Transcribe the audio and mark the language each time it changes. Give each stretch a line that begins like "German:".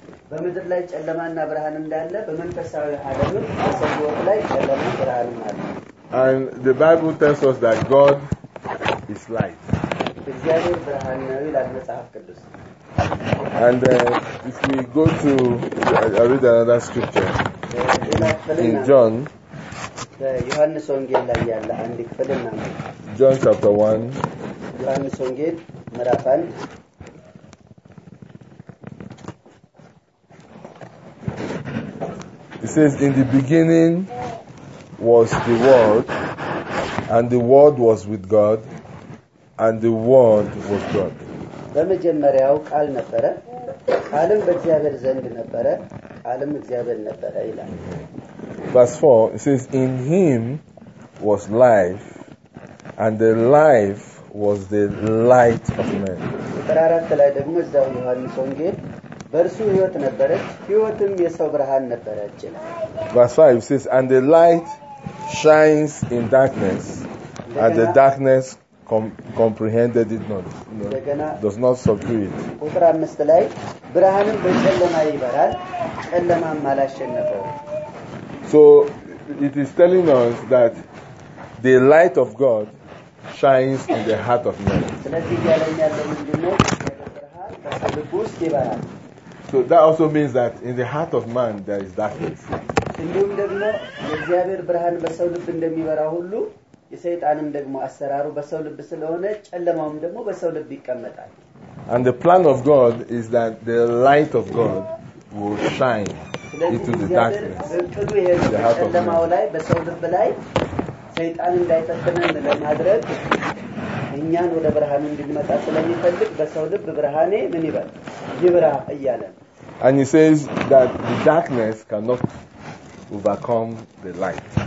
Amharic: በመድር ላይ ጨለማና ብርሃን እንዳለ በመንፈሳዊ ዓለምም በሰው ላይ ጨለማና ብርሃን አለ።
English: And the Bible tells us that God is light.
Amharic: እግዚአብሔር ብርሃን ነው ይላል መጽሐፍ ቅዱስ።
English: And if we go to read another scripture in John,
Amharic: ዮሐንስ ወንጌል ላይ ያለ አንድ ክፍል እናም
English: John chapter 1
Amharic: ዮሐንስ ወንጌል ምዕራፍ 1
English: It says, in the beginning was the Word, and the Word was with God, and the Word was God.
Amharic: በመጀመሪያው ቃል ነበረ፣ ቃልም በእግዚአብሔር ዘንድ ነበረ፣ ቃልም እግዚአብሔር ነበረ ይላል።
English: Verse 4, it says, in him was life, and the life was the light of men.
Amharic: በተራራት ላይ ደግሞ እዛው ዮሐንስ ወንጌል በርሱ ህይወት ነበረች ህይወቱም የሰው ብርሃን ነበረች።
English: Verse 5 says, and the light shines in darkness, and the darkness comprehended it not. Does not subdue it.
Amharic: ቁጥር 5 ላይ ብርሃንም በጨለማ ይበራል ጨለማም አላሸነፈውም።
English: So it is telling us that the light of God shines in the heart of man.
Amharic: ስለዚህ ያለኝ ያለው ምንድነው? ብርሃን በልብ ውስጥ ይበራል።
English: So that also means that in the heart of man there is darkness.
Amharic: እንዲሁም ደግሞ የእግዚአብሔር ብርሃን በሰው ልብ እንደሚበራ ሁሉ የሰይጣንም ደግሞ አሰራሩ በሰው ልብ ስለሆነ ጨለማውም ደግሞ በሰው ልብ ይቀመጣል።
English: And the plan of God is that the light of God will shine into the darkness.
Amharic: ጨለማው ላይ በሰው ልብ ላይ ሰይጣን እንዳይፈተነን ለማድረግ እኛን ወደ ብርሃን እንድንመጣ ስለሚፈልግ በሰው ልብ ብርሃኔ ምን ይበል ይብራ እያለ
English: And he says that the darkness cannot overcome the light.